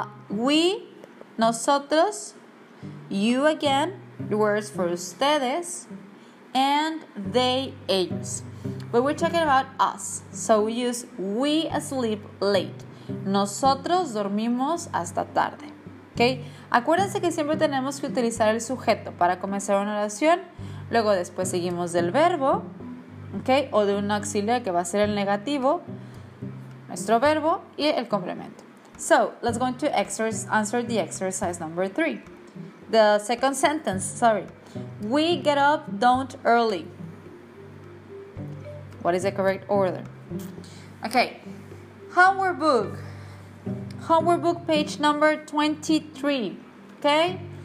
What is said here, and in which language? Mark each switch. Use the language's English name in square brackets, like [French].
[English] We, nosotros, you again, the words for ustedes, and they, ellos. But we're talking about us, so we use we sleep late. [Spanish] Nosotros dormimos hasta tarde, okay? Acuérdense que siempre tenemos que utilizar el sujeto para comenzar una oración, luego después seguimos del verbo, okay, o de un auxiliar que va a ser el negativo, nuestro verbo y el complemento. [English] So, let's go to answer the exercise number 3. The second sentence, sorry. We get up, don't early. What is the correct order? Okay, homework book page number 23, okay?